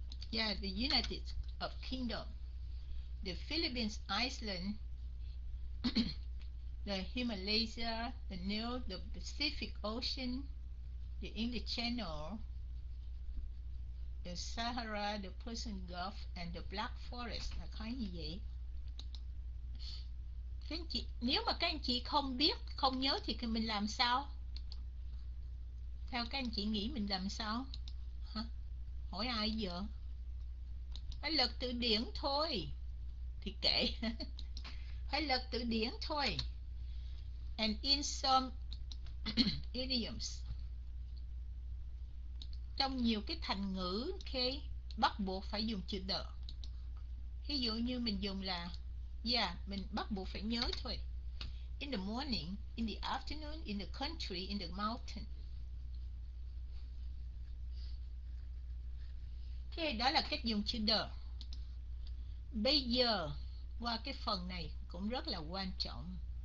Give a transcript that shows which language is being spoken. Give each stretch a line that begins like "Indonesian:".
English: Yeah, the United of Kingdom, the Philippines, Iceland, the Himalaya, the New, the Pacific Ocean, the English Channel, the Sahara, the Persian Gulf, and the Black Forest.
Vietnamese: Là khá như vậy. Các anh chị, nếu mà các anh chị không biết, không nhớ thì mình làm sao? Theo các anh chị nghĩ mình làm sao? Hả? Hỏi ai giờ? Phải lật từ điển thôi. Thì kệ. Phải lật từ điển thôi.
English: And in some idioms.
Vietnamese: Trong nhiều cái thành ngữ, ok, bắt buộc phải dùng chữ the. Ví dụ như mình dùng là yeah, mình bắt buộc phải nhớ thôi.
English: In the morning, in the afternoon, in the country, in the mountain.
Vietnamese: Thế đó là cách dùng chữ the. Bây giờ qua cái phần này cũng rất là quan trọng.